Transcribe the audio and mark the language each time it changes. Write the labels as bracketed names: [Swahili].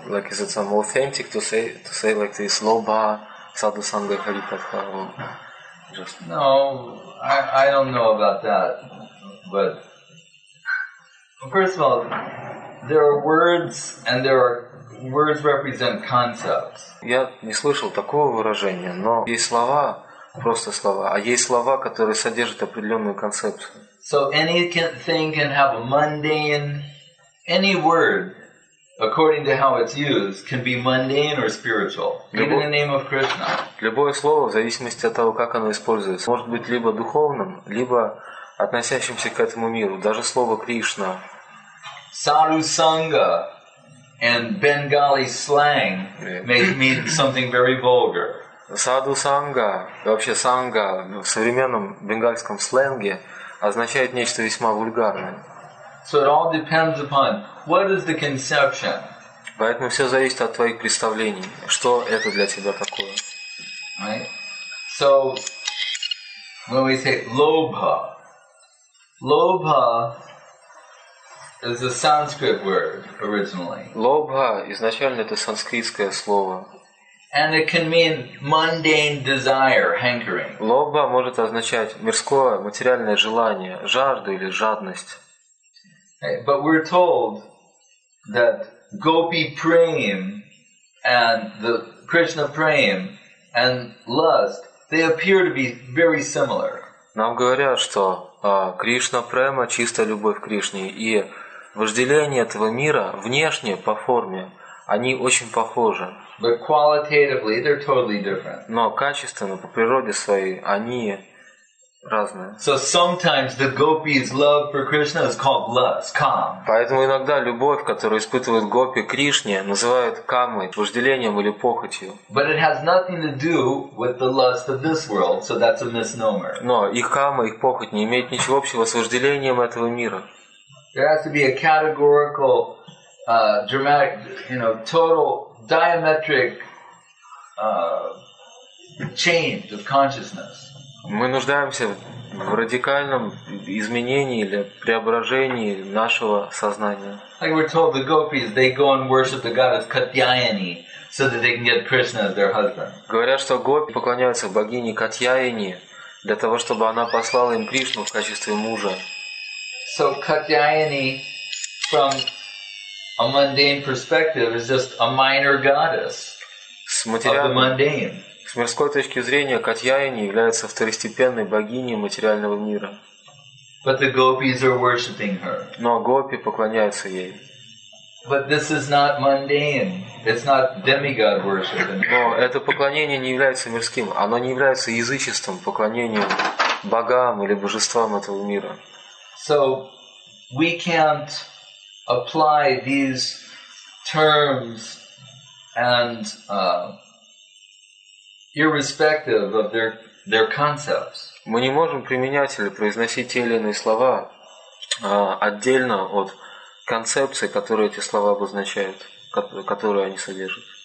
[English] Like, is it some authentic to say like this? Lobha sadhu sangha harikatha?" Just no, I don't know about that. But well, first of all, there are words, and there are words represent concepts. [Russian] Я не слышал такого выражения, но есть слова, просто слова, а есть слова, которые содержат определенную концепцию. [English] So anything can have a mundane. Any word, according to how it's used, can be mundane or spiritual. Even the name of Krishna. [Russian] Любое слово, в зависимости от того, как оно используется, может быть либо духовным, либо относящимся к этому миру. Даже слово Кришна. [English] Sadhu sangha and Bengali slang make me something very vulgar. [Russian] Sadhu sangha, вообще sangha в современном бенгальском сленге означает нечто весьма вульгарное. [English] So it all depends upon what is the conception. [Russian] Поэтому все зависит от твоих представлений. Что это для тебя такое? [English] Right. So when we say lobha, lobha is a Sanskrit word originally. [Russian] Лобха изначально это санскритское слово. [English] And it can mean mundane desire, hankering. [Russian] Лобха может означать мирское, материальное желание, жажду или жадность. [English] But we're told that Gopi Prem and the Krishna Prem and lust, they appear to be very similar. [Russian] Нам говорят, что Кришна Према, чистая любовь к Кришне, и вожделение этого мира внешне по форме, они очень похожи. [English] But qualitatively, they're totally different. [Russian] Но качественно, по природе своей, они разные. [English] So sometimes the gopi's love for Krishna is called lust, kam. [Russian] Поэтому иногда любовь, которую испытывает гопи к Кришне, называют камой, вожделением или похотью. [English] But it has nothing to do with the lust of this world, so that's a misnomer. [Russian] Но их кама, их похоть не имеет ничего общего с вожделением этого мира. [English] There has to be a categorical, dramatic, you know, total diametric change of consciousness. [Russian] Мы нуждаемся в радикальном изменении или преображении нашего сознания. [English] Like we're told, the gopis, they go and worship the goddess Katyayani so that they can get Krishna as their husband. [Russian] Говорят, что гопи поклоняются богине Катьяйани для того, чтобы она послала им Кришну в качестве мужа. [English] So Katyayani, from a mundane perspective, is just a minor goddess of the mundane. [Russian] С мирской точки зрения, Катьяйани является второстепенной богиней материального мира. [English] But the gopis are worshiping her. [Russian] Но гопи поклоняются ей. [English] But this is not mundane. It's not demigod worship. [Russian] Но это поклонение не является мирским. Оно не является язычеством, поклонением богам или божествам этого мира. [English] So we can't apply these terms and irrespective of their concepts. [Russian] Мы не можем применять или произносить те или иные слова отдельно от концепции, которую эти слова обозначают, которую они содержат.